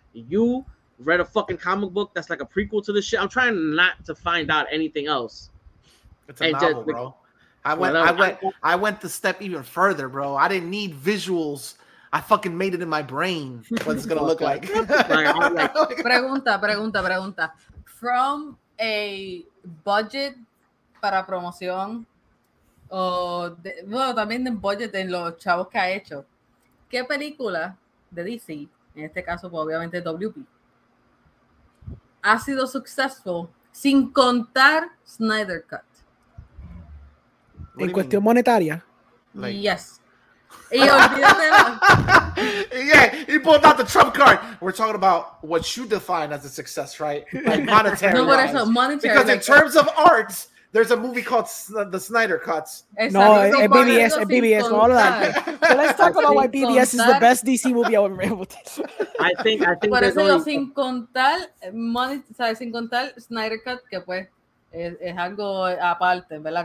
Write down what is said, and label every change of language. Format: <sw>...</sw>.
<en>You read a fucking comic book that's like a prequel to this shit. I'm trying not to find out anything else. It's a and novel, just, bro. I went the step even further, bro. I didn't need visuals. I fucking made it in my brain what it's going to look like.</en> <es>pregunta.</es> <en>From a budget</en> <es>para promoción o de, bueno, también en budget en los chavos que ha hecho, ¿qué película de DC, en este caso pues obviamente WB, ha sido successful sin contar Snyder Cut en cuestión monetaria?</es> <en>Like... yes.</en> <es>Y olvídate</es> <en>yeah, he pulled out the trump card. We're talking about what you define as a success, right? Like monetary.</en> <es>No, por eso, monetary,</es> <en>because like, in terms of arts, there's a movie called the Snyder Cuts. No, BBS, all of that. So let's talk about why BBS is the best DC movie I've ever been able to. I think.</en> <es>Por eso,</es> <en>only...</en> <es>sin contar sin contar Snyder Cut, que pues es algo aparte, ¿verdad?</es>